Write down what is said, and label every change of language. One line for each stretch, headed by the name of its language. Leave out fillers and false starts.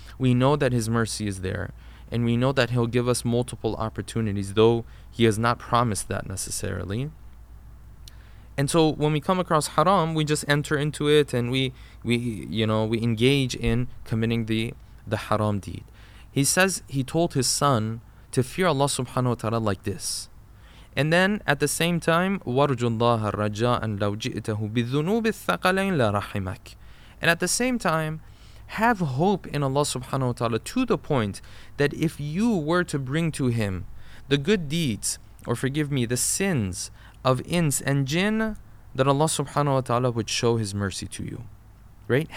English: We know that his mercy is there, and we know that he'll give us multiple opportunities, though he has not promised that necessarily. And so when we come across haram, we just enter into it and we engage in committing the haram deed. He says he told his son to fear Allah subhanahu wa ta'ala like this. And then at the same time,
Arabic: وَرْجُ اللَّهَ الرَّجَاءً لَوْ جِئْتَهُ بِالذُّنُوبِ الثَّقَلَيْنِ لَرَحِمَكَ.
English: And at the same time, have hope in Allah subhanahu wa ta'ala to the point that if you were to bring to him the good deeds, or forgive me, the sins of ins and jinn, that Allah subhanahu wa ta'ala would show his mercy to you, right?